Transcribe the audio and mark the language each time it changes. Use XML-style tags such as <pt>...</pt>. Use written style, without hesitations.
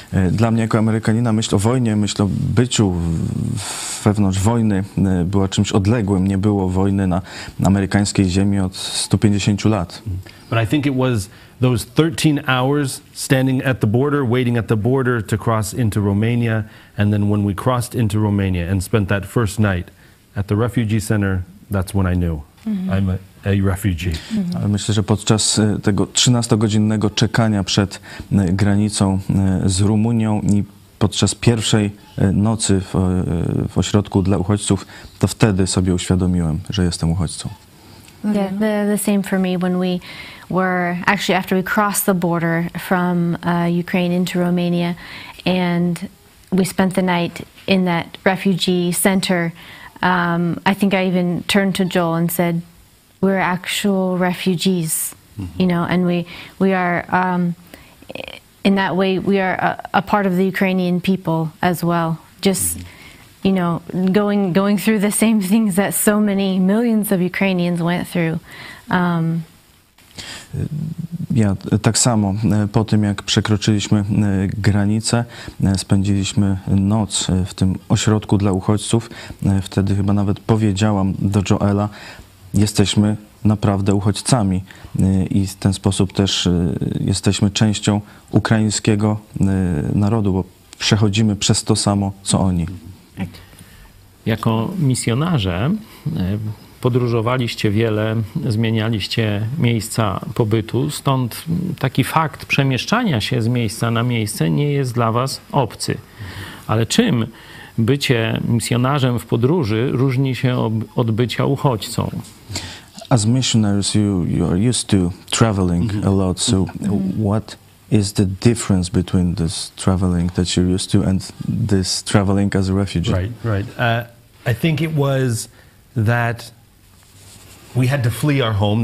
<pl>Dla mnie jako Amerykanina myśl o wojnie, myśl o byciu wewnątrz wojny była czymś odległym. Nie było wojny na amerykańskiej ziemi od 150 lat.</pl> <en>But I think it was those 13 hours standing at the border, waiting at the border to cross into Romania, and then when we crossed into Romania and spent that first night at the refugee center, that's when I knew. Mm-hmm. I'm a refugee. Mm-hmm.</en> <pl>Ale myślę, że podczas tego 13-godzinnego czekania przed granicą z Rumunią i podczas pierwszej nocy w ośrodku dla uchodźców, to wtedy sobie uświadomiłem, że jestem uchodźcą.</pl> <en>Yeah, the same for me when we were actually after we crossed the border from Ukraine into Romania and we spent the night in that refugee center. I think I even turned to Joel and said, we're actual refugees, mm-hmm. you know, and we are, in that way, we are a part of the Ukrainian people as well. Just, mm-hmm. you know, going through the same things that so many millions of Ukrainians went through.</en> <pl>Ja tak samo. Po tym, jak przekroczyliśmy granicę, spędziliśmy noc w tym ośrodku dla uchodźców. Wtedy chyba nawet powiedziałam do Joela, jesteśmy naprawdę uchodźcami i w ten sposób też jesteśmy częścią ukraińskiego narodu, bo przechodzimy przez to samo, co oni. Jako misjonarze podróżowaliście wiele, zmienialiście miejsca pobytu, stąd taki fakt przemieszczania się z miejsca na miejsce nie jest dla was obcy. Ale czym bycie misjonarzem w podróży różni się od bycia uchodźcą?</pl> <en>As missionaries, you are used to traveling mm-hmm. a lot, so mm-hmm. what is the difference between this traveling that you're used to and this traveling as a refugee? Right, right. I think it was that we had to flee our home.</en>